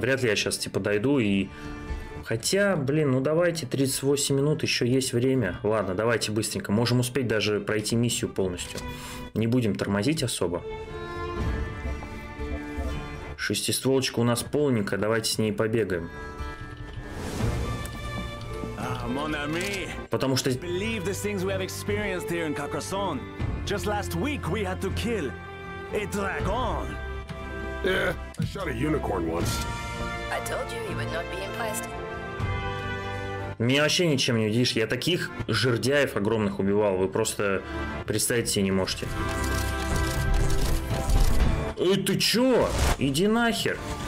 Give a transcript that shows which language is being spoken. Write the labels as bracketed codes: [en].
[ru] Вряд ли я сейчас, типа, дойду и... Хотя, блин, ну давайте, 38 минут, еще есть время. Ладно, давайте быстренько. Можем успеть даже пройти миссию полностью. Не будем тормозить особо. Шестистволочка у нас полненькая, давайте с ней побегаем. Потому что... [en] Just last week we had to kill a dragon. Yeah, I shot a unicorn once. I told you he would not be impressed. [ru] Меня вообще ничем не удивишь. Я таких жердяев огромных убивал. Вы просто представить себе не можете. Эй, ты чё? Иди нахер.